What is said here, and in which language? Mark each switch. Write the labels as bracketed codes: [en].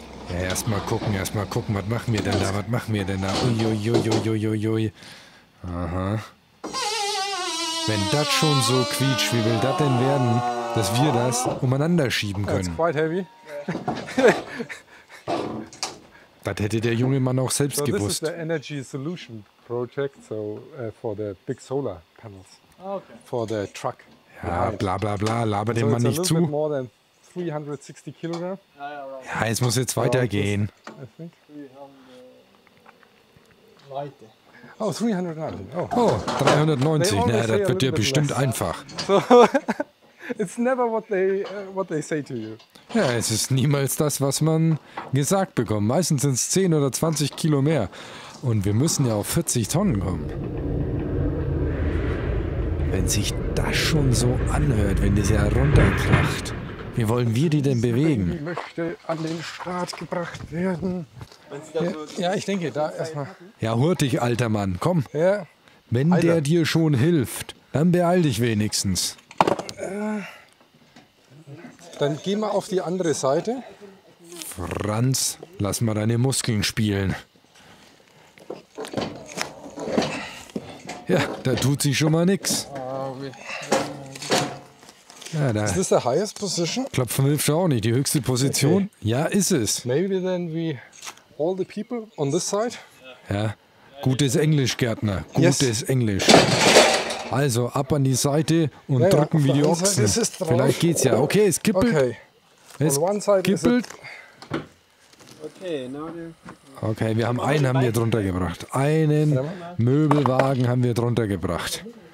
[de] Ja, erstmal gucken, was machen wir denn da? Was machen wir denn da? Uiuiuiuiuiui. Aha. Wenn das schon so quietscht, wie will das denn werden, dass wir das umeinander schieben können? [en] That's quite heavy. [de] Das hätte der junge Mann auch selbst so gewusst. [en] This is the energy solution project, so for the big solar panels. Okay. For the truck. [de] Ja, bla bla bla, laber dem Mann nicht zu. [en] Bit more than 360 kilogram. [de] Ja, es muss jetzt weitergehen. [en] Oh, 390. Oh, 390. [de] Na, das wird dir bestimmt less. Einfach. [en] So, it's never what they say to you. [de] Ja, es ist niemals das, was man gesagt bekommt. Meistens sind es 10 oder 20 Kilo mehr. Und wir müssen ja auf 40 Tonnen kommen. Wenn sich das schon so anhört, wenn das ja runterkracht. Wie wollen wir die denn bewegen? Ich möchte an den Start gebracht werden. Ja, ich denke, da erstmal. Ja, hurtig, alter Mann, komm. Ja. Wenn der dir schon hilft, dann beeil dich wenigstens. Dann geh mal auf die andere Seite. Franz, lass mal deine Muskeln spielen. Ja, da tut sich schon mal nichts. Ja, da. Ist das die [en] highest position? [de] Klopfen hilft auch nicht. Die höchste Position? Okay. Ja, ist es. [en] Maybe then we all the people on this side? [de] Ja. Gutes Englisch, Gärtner. Gutes yes. Englisch. Also, ab an die Seite und drücken wie die Ochsen. Seite, ist vielleicht geht's ja. Okay, es kippelt. Okay. [en] Es on one side kippelt. Okay, now [de] okay, wir haben einen haben wir drunter gebracht. Einen Möbelwagen haben wir drunter gebracht.